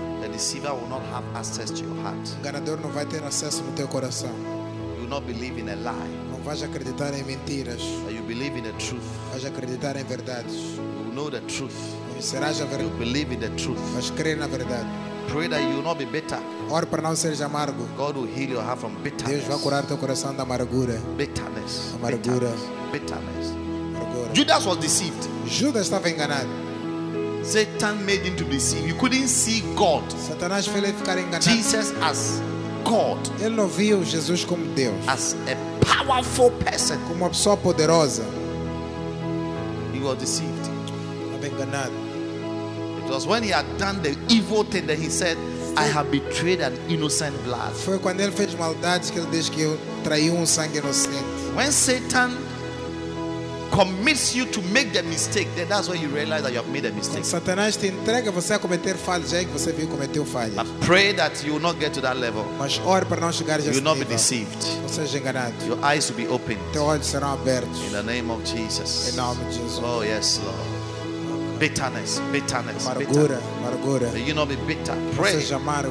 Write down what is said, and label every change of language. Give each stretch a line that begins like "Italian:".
English: The deceiver will not have access to your heart.
Portuguese: O enganador não vai ter acesso no teu coração.
English: You will not believe in a lie.
Portuguese: Não vais acreditar em mentiras.
English: But you believe in the truth.
Portuguese: Vais acreditar em verdades.
English: You will know the truth.
Portuguese: Serás a verdade.
English: You believe in the truth.
Portuguese: Vais crer na verdade.
English: Pray that you will not be bitter.
Portuguese: Ore para não seres amargo.
English: God will heal your heart from bitterness.
Portuguese: Deus vai curar teu coração da amargura.
English: Bitterness.
Portuguese: Amargura.
English: Bitterness. Judas was deceived.
Portuguese: Judas estava enganado.
English: Satan made him to deceive. You couldn't see God.
Portuguese: Satanás fez ele ficar enganado.
English: Jesus as God.
Portuguese: Ele não viu Jesus como Deus.
English: As a powerful person.
Portuguese: Como uma pessoa poderosa.
English: He was deceived.
Portuguese: Estava enganado.
English: It was when he had done the evil thing that he said, "I have betrayed an innocent blood."
Portuguese: Foi quando ele fez maldade que ele disse que eu traí sangue inocente.
English: When Satan commits you to make the mistake, then that's when you realize that you have made a mistake.
Portuguese: Satanás te entrega você a cometer falha, que você viu cometeu falha.
English: But pray that you will not get to that level.
Portuguese: Mas ore para não chegar a esse
English: you will not be deceived.
Portuguese: Você seja enganado.
English: Your eyes will be opened.
Portuguese: Teus olhos serão abertos.
English: In the name of Jesus.
Portuguese: Em nome de Jesus.
English: Oh yes, Lord. Bitterness, bitterness,
Portuguese: amargura, amargura.
English: May you not be bitter. Pray.
Portuguese: Seja amargo.